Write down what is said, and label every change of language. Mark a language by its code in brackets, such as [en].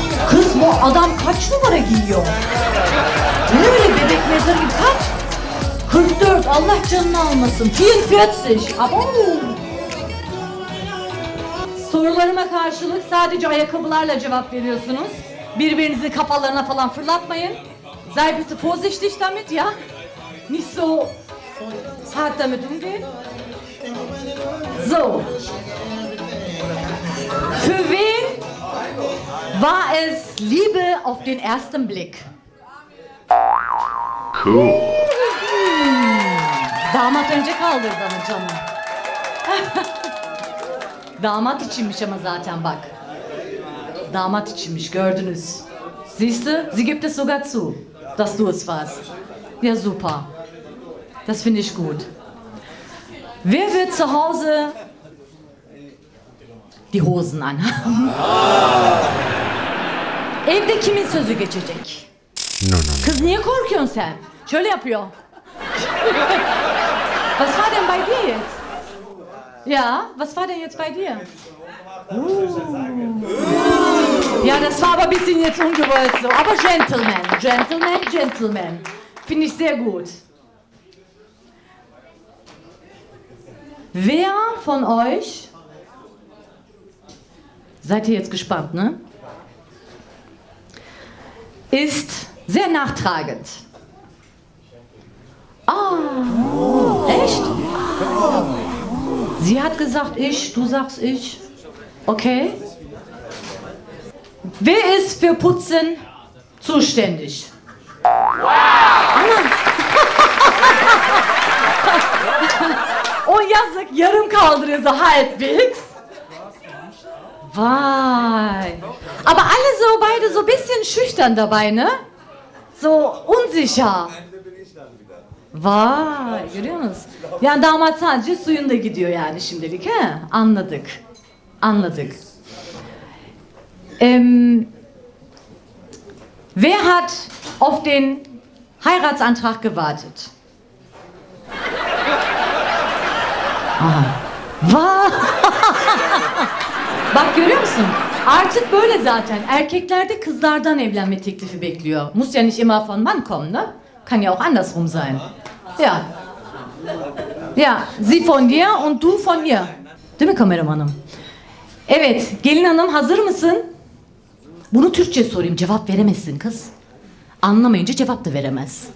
[tr] Kız bu adam kaç numara giyiyor? Ne öyle bebek mezarı gibi kaç? 44, Allah canını almasın. 44. Abon. Sorularıma karşılık sadece ayakkabılarla cevap veriyorsunuz. Birbirinizi kafalarına falan fırlatmayın. [de] Sei bitte vorsichtig damit, ja? Nicht so hart damit umgehen. So. Für wen war es Liebe auf den ersten Blick? [en] Cool. [tr] Damat önce kaldırdı ama canım. Damat içinmiş ama zaten bak. Damat içinmiş, gördünüz. [de] Siehst du? Sie gibt es sogar zu, dass du es warst. Ja, super. Das finde ich gut. Wer wird zu Hause die Hosen an? [tr] Evde kimin sözü geçecek? [en] No. [tr] Kız niye korkuyorsun sen? Şöyle yapıyor. [de] Was war denn bei dir jetzt? Ja, was war denn jetzt bei dir? Ja, das war aber ein bisschen jetzt ungewollt so. Aber Gentleman, Gentleman, Gentleman. Finde ich sehr gut. Wer von euch... Seid ihr jetzt gespannt, ne? Ist sehr nachtragend. Ah, echt? Sie hat gesagt ich, du sagst ich. Okay. Wer ist für Putzen zuständig? Anna. [tr] Oh, yazık, yarım kaldırıyor [de] so halbwegs. [tr] Vay. [de] Aber alle so, beide so ein bisschen schüchtern dabei, ne? So unsicher. [tr] Vay, görüyor musunuz? Yani damat sadece suyunda gidiyor yani şimdilik, he? Anladık. Anladık. [de] Wer hat auf den Heiratsantrag gewartet? [tr] Vay. Bak görüyor musun? Artık böyle zaten. Erkekler de kızlardan evlenme teklifi bekliyor. [de] Muss ja nicht immer von Mann kommen, ne? Kann ja auch andersrum sein. Ja. Ja, sie von dir und du von ihr. [tr] Değil mi kameramanım? Evet, gelin hanım hazır mısın? Bunu Türkçe sorayım, cevap veremezsin kız. Anlamayınca cevap da veremez.